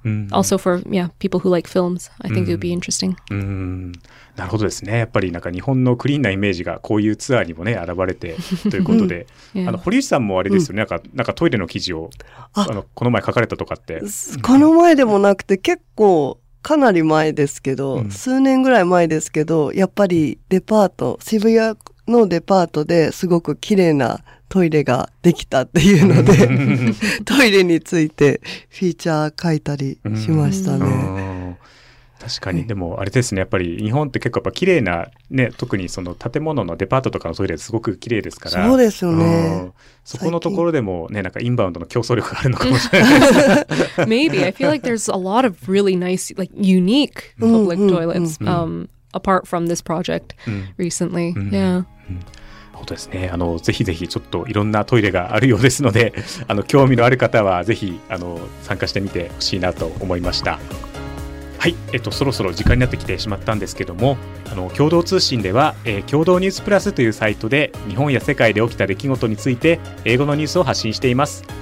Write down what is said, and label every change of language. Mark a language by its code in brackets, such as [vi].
[en] Also for, people who like films, I think it would be interesting. [ja] なるほどですね。やっぱりなんか日本のクリーンなイメージがこういうツアーにもね、現れてということで。 yeah. あの、堀内さんもあれですよね。なんかトイレの記事をあのこの前書かれたとかって。この前でもなくて結構、かなり前ですけど、数年ぐらい前ですけど、やっぱりデパート、渋谷のデパートですごく綺麗なトイレができたっていうので、トイレについてフィーチャー書いたりしましたね。確かに、でもあれですね、やっぱり日本って結構やっぱ綺麗な、ね、特にその建物のデパートとかのトイレすごく綺麗ですから。そうですよね。そこのところでもね、なんかインバウンドの競争力があるのかもしれない [en] Maybe. I feel like there's a lot of really nice, like unique public toilets apart from this project recently. [ja] そうですね。あの、ぜひぜひちょっといろんなトイレがあるようですので、あの、興味のある方はぜひ、あの、参加してみてほしいなと思いました。はい、そろそろ時間になってきてしまったんですけども、あの共同通信では、共同ニュースプラスというサイトで日本や世界で起きた出来事について英語のニュースを発信しています。